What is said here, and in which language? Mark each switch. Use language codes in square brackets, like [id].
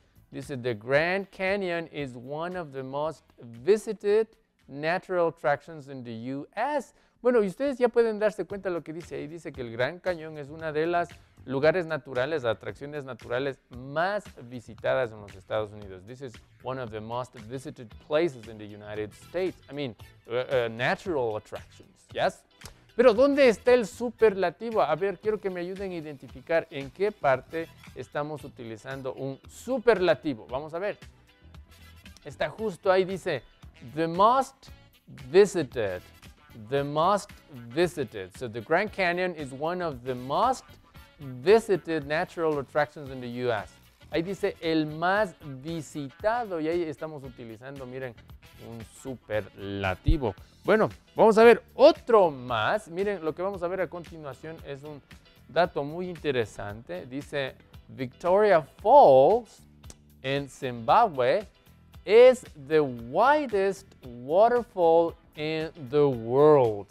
[en] Dice, the Grand Canyon is one of the most visited natural attractions in the U.S. [es] Bueno, y ustedes ya pueden darse cuenta de lo que dice ahí. Dice que el Gran Cañón es una de las lugares naturales, atracciones naturales más visitadas en los Estados Unidos. [en] This is one of the most visited places in the United States. I mean, natural attractions, yes? [es] Pero, ¿dónde está el superlativo? A ver, quiero que me ayuden a identificar en qué parte estamos utilizando un superlativo. Vamos a ver. Está justo ahí, dice, [en] the most visited, the most visited. So, the Grand Canyon is one of the most visited natural attractions in the U.S. [es] Ahí dice, el más visitado, y ahí estamos utilizando, miren, un superlativo. Bueno, vamos a ver otro más. Miren, lo que vamos a ver a continuación es un dato muy interesante. [en] Dice, Victoria Falls en Zimbabue is the widest waterfall in the world.